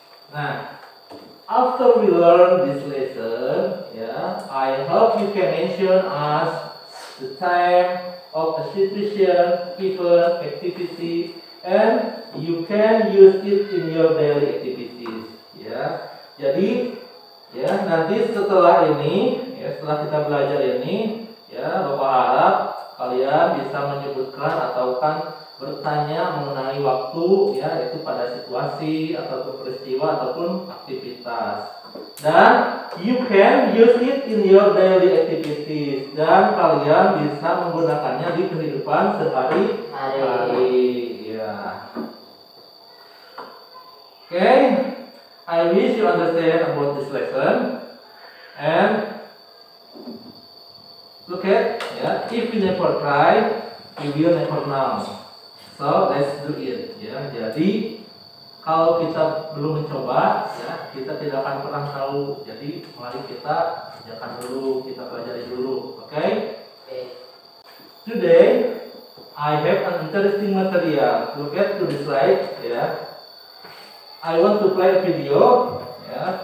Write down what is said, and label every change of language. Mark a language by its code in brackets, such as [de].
[en] Nah, after we learn this lesson, yeah, I hope you can mention us the time of the situation, people, activity, and you can use it in your daily activities. Yeah. [id] Jadi, yeah, nanti setelah ini, setelah kita belajar ini, ya, Bapak harap kalian bisa menyebutkan atau kan bertanya mengenai waktu, ya, itu pada situasi ataupun peristiwa ataupun aktivitas. [en] Dan you can use it in your daily activities. [id] Dan kalian bisa menggunakannya di kehidupan sehari-hari. Ya. [en] Okay, I wish you understand about this lesson and look at, yeah. If you never try, you will never know. So let's do it. Yeah. [id] Jadi kalau kita belum mencoba, yeah, kita tidak akan pernah tahu. Jadi mari kita kerjakan dulu, kita pelajari dulu. Okay? [en] Today I have an interesting material. Look at to this slide. Yeah. I want to play a video. Yeah.